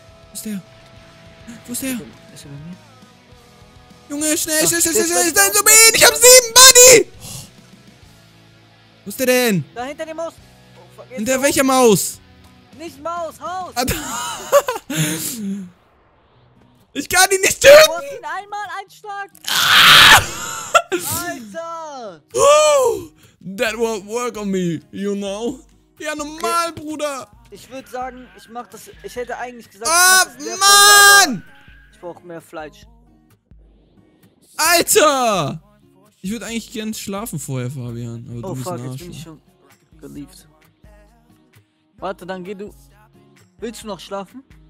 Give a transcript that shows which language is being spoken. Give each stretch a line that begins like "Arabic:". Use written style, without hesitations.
German: Wo ist der? Ist er bei mir? Junge, schnell, Senzu Bean, ich hab 7, Buddy! Oh. Wo ist der denn? Da hinter dem Haus. Hinter welcher Maus? Nicht Maus, Haus! Ich kann ihn nicht töten! Du musst ihn einmal einschlagen! Alter!
English: That won't work on me, you know?
German: Ja, normal, okay. Bruder! Ich würde sagen, ich mach das. Ich hätte eigentlich gesagt. Ah, Mann! Ich brauch mehr Fleisch. Alter! Ich würde eigentlich gern schlafen vorher, Fabian. Aber du bist ein Arsch. Jetzt bin ich schon geliebt. Warte, dann geh du. Willst du noch schlafen?